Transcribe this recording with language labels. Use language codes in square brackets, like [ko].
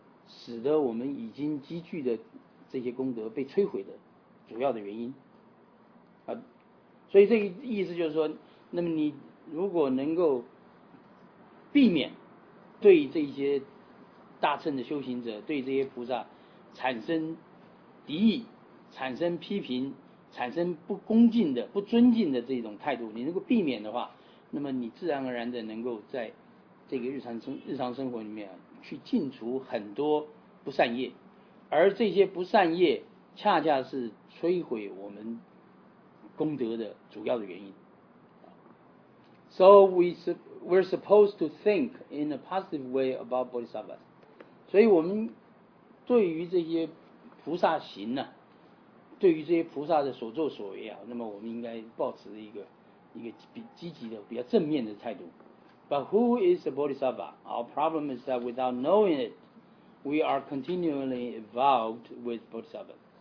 [zh] 使得我们已经积聚的这些功德被摧毁的主要的原因啊，所以这个意思就是说，那么你如果能够避免对这些大乘的修行者、对这些菩萨产生敌意、产生批评、产生不恭敬的、不尊敬的这种态度，你能够避免的话，那么你自然而然的能够在这个日常生活里面、啊。去净除很多不善业，而这些不善业恰恰是摧毁我们功德的主要的原因。 [en] So we're supposed to think in a positive way about bodhisattvas. [zh] 所以我们对于这些菩萨行呢、啊，对于这些菩萨的所作所为啊，那么我们应该抱持一个积极的、比较正面的态度。 [en] But who is the bodhisattva? Our problem is that without knowing it, we are continually involved with bodhisattvas.